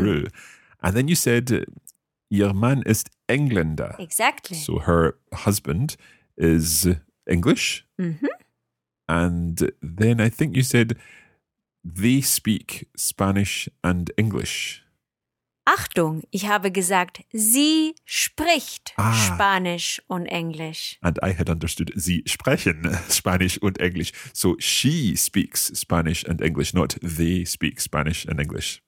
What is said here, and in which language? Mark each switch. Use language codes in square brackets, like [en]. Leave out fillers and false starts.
[en] Peru. And then you said, [de] ihr Mann ist Engländer. [en] Exactly. So her husband is English. Mm-hmm. And then I think you said, they speak Spanish and English. [de] Achtung, ich habe gesagt, sie spricht Spanisch und Englisch. [en] And I had understood, [de] sie sprechen Spanisch und Englisch. [en] So she speaks Spanish and English, not they speak Spanish and English.